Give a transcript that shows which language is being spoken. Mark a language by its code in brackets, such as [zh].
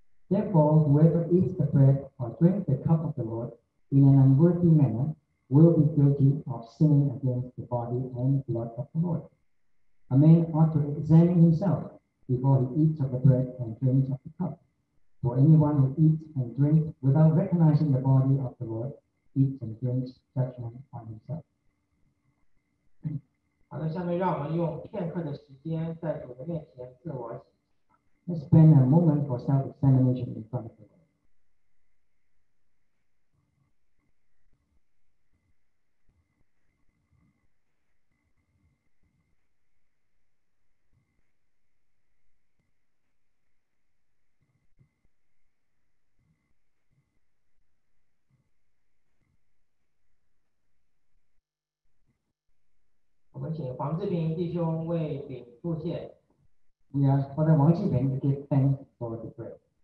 [en] Therefore, whoever eats the bread or drinks the cup of the Lord in an unworthy manner will be guilty of sinning against the body and blood of the Lord. A man ought to examine himself before he eats of the bread and drinks of the cup. For anyone who eats and drinks without recognizing the body of the Lord eats and drinks judgment on himself. [zh] 好的，下面让我们用片刻的时间在主的面前自我洗。 [en] Let's spend a moment for self-examination in front of the Lord. [zh] 请黄志平弟兄为饼祝谢。 [en] We ask for the 王志平 to give thanks for the bread.